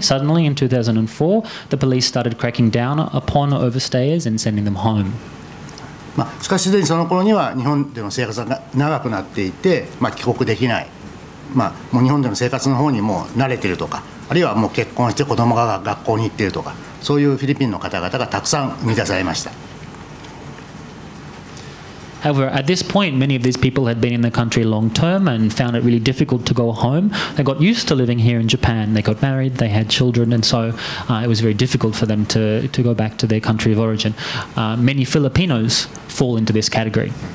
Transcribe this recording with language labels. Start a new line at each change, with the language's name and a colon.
English: Suddenly in 2004, the police started cracking down upon overstayers and sending them home.
Japanese: まあ、しかしすでにその頃には日本での生活が長くなっていて、まあ、帰国できない、まあ、もう日本での生活の方にもう慣れているとか、あるいはもう結婚して子供が学校に行っているとか、そういうフィリピンの方々がたくさん生み出されました。
English: However, at this point, many of these people had been in the country long term and found it really difficult to go home. They got used to living here in Japan. They got married, they had children, and so it was very difficult for them to go back to their country of origin. Many Filipinos fall into this category.